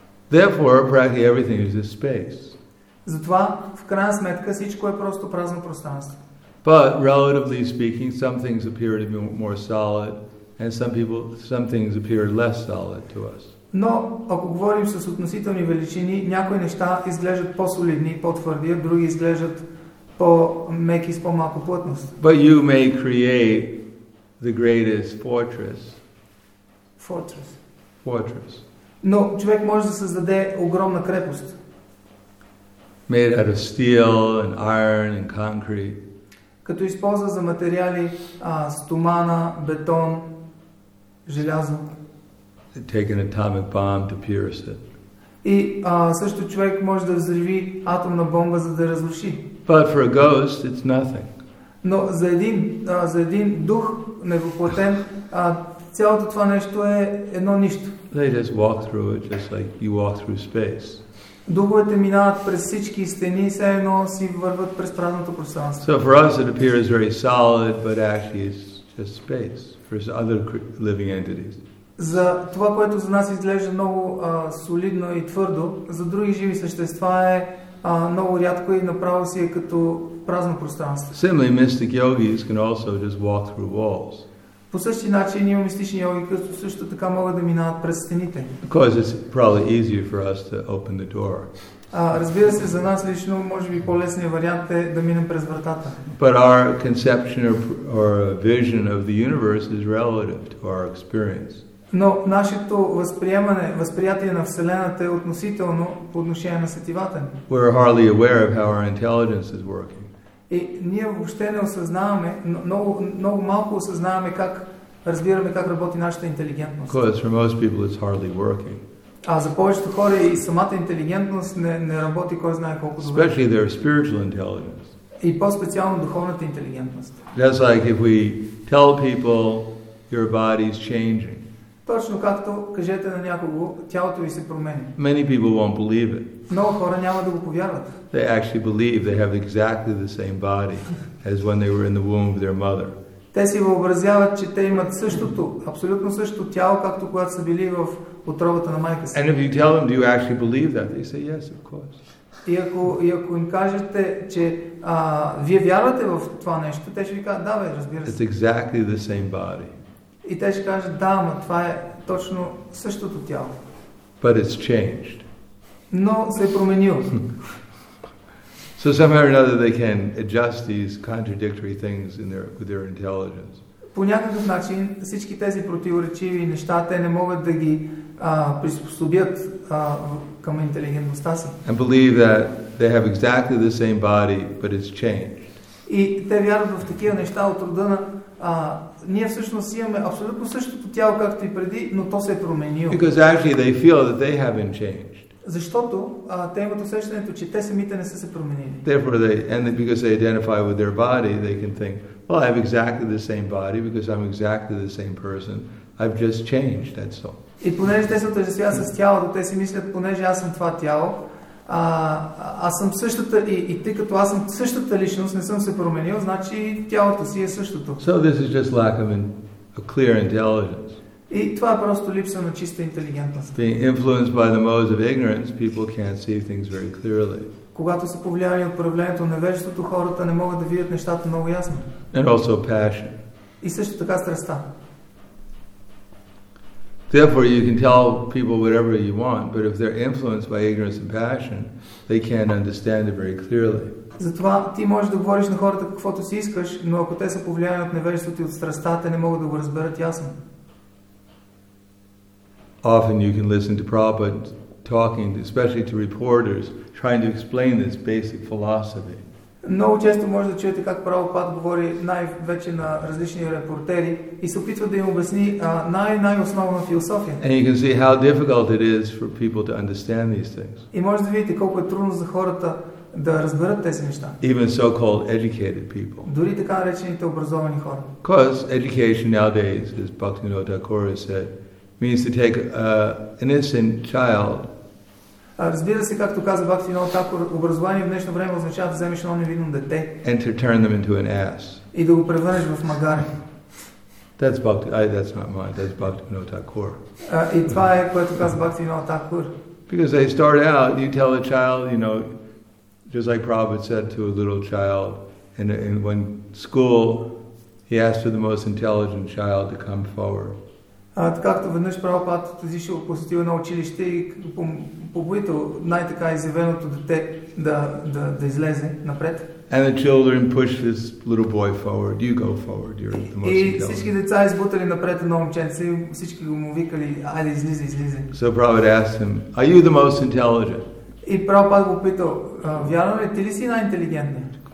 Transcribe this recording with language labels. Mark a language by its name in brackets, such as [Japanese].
[English] Therefore, practically everything is just space. [Bulgarian] Затова, в крайна сметка, всичко е просто празно пространство. [English] But relatively speaking, some things appear to be more solid, and some things appear less solid to us. [Bulgarian] Но ако говорим с относителни величини, някои неща изглеждат по-солидни, по-твърди, други изглеждат по-меки, с по-малко плътност. [English] But you may create the greatest fortress. Fortress. Fortress. [Bulgarian] Но човек може да създаде огромна крепост. [English] Made out of steel and iron and concrete. [Bulgarian] Като използва за материали стомана, бетон, желязо. [English] Take an atomic bomb to pierce it. [Bulgarian] И също човек може да взриви атомна бомба, за да разруши. [English] But for a ghost, it's nothing. [Bulgarian] Но за един, за един дух невъплътен, цялото това нещо е едно нищо. [English] They just walk through it, just like you walk through space. [Bulgarian] Духовете минават през всички стени, все едно си върват през празното пространство. [English] So for us it appears very solid, but actually it's just space for other living entities. [Bulgarian] За това, което за нас изглежда много солидно и твърдо, за други живи същества е много рядко и направо си е като празно пространство. [English] Similarly, mystic yogis can also just walk through walls. [Bulgarian] По същия начин и мистични йоги като също така могат да минават през стените. [English] Because it's probably easier for us to open the door. [Bulgarian] Разбира се, за нас лично може би по-лесният вариант е да минем през вратата. [English] But our conception or vision of the universe is relative to our experience. [Bulgarian] Но нашето възприемане, възприятие на Вселената е относително по отношение на сетивата ни. [English] We are hardly aware of how our intelligence is working. [Bulgarian] И ние въобще не осъзнаваме, много, много малко осъзнаваме как разбираме как работи нашата интелигентност. [English] Because for most people it's hardly working. [Bulgarian] А за повечето хора и самата интелигентност не работи кой знае колко добре. [English] Especially their spiritual intelligence. [Bulgarian] И по-специално духовната интелигентност. [English] Just like if we tell people your body is changing. [Bulgarian] Точно както кажете на някого, тялото ви се променя. [English] Many people won't believe it. [Bulgarian] Много хора няма да го повярват. [English] They actually believe they have exactly the same body as when they were in the womb of their mother. [Bulgarian] Те си въобразяват, че те имат същото, абсолютно същото тяло, както когато са били в утробата на майка си. [English] And if you tell them, do you actually believe that? They say, yes, of course. [Bulgarian] И ако им кажете, че вие вярвате в това нещо, те ще ви кажат, да бе, разбира се. [English] It's exactly the same body. [Bulgarian] И те ще кажат, да, ама това е точно същото тяло. [English] But it's changed. [Bulgarian] Но се е променило. [English] So somehow or another they can adjust these contradictory things in their with their intelligence. [Bulgarian] По някакъв начин всички тези противоречиви неща те не могат да ги приспособят към интелигентността си. [English] And believe that they have exactly the same body, but it's changed. [Bulgarian] И те вярват в такива неща от рода на ние всъщност имаме абсолютно същото тяло както и преди, но то се е променило. [English] Because actually they feel that they haven't changed. [Bulgarian] Защото те имат усещането, че те самите не са се променили. [English] Therefore they, and because they identify with their body, they can think, well, I have exactly the same body because I'm exactly the same person. I've just changed, that's all. [Bulgarian] И понеже те се отъждествяват с тялото, те си мислят, понеже аз съм това тяло, аз съм същата и тъй като аз съм същата личност, не съм се променил, значи тялото си е същото. [English] So this is just lack of a clear intelligence. [Bulgarian] И това е просто липса на чиста интелигентност. [English] Being influenced by the modes of ignorance, people can't see things very clearly. [Bulgarian] Когато са повлияни от проявлението на невежеството, хората не могат да видят нещата много ясно. [English] And also passion. [Bulgarian] И също така страстта. [English] Therefore, you can tell people whatever you want, but if they're influenced by ignorance and passion, they can't understand it very clearly. [Bulgarian] Затова ти можеш да говориш на хората каквото си искаш, но ако те са повлияни от невежеството и от страстта, те не могат да го разберат ясно. [English] Often you can listen to Prabhupada talking, especially to reporters, trying to explain this basic philosophy. [Bulgarian] Много често може да чуете как Прабхупад говори най-вече на различни репортери и се опитва да им обясни най-основна философия. [English] And you can see how difficult it is for people to understand these things. [Bulgarian] И може да видите колко е трудно за хората да разберат тези неща. [English] Even so-called educated people. [Bulgarian] Дори така наречените образовани хора. [English] Because education nowadays, as Bhaktivinoda Thakur has said, means to take an innocent child. [Bulgarian] Разбира се, както каза Бхактивинода Такур, образование в днешно време означава да вземеш едно невинно дете. [English] And to turn them into an ass. [Bulgarian] И да го превърнеш в магаре. [English] That's that's not mine. That's Bhaktivinoda Thakur. [Bulgarian] И това е което каза Бхактивинода Такур. [English] Because they start out, you tell a child, you know, just like Prabhupada said to a little child, in when school, he asked for the most intelligent child to come forward. [Bulgarian] Както веднъж Прабхупад отишъл и посетил едно училище и побудил най-така изявеното дете да излезе напред. [English] And the children push this little boy forward. You go forward. You're the most intelligent. [Bulgarian] И всички деца избутали напред едно момченце, всички го му викали, айде излизай, излизай. [English] So Prabhupada asked him, "Are you the most intelligent?" [Bulgarian] И Прабхупада го пита, "Вярно ли ти ли си най-интелигентен?"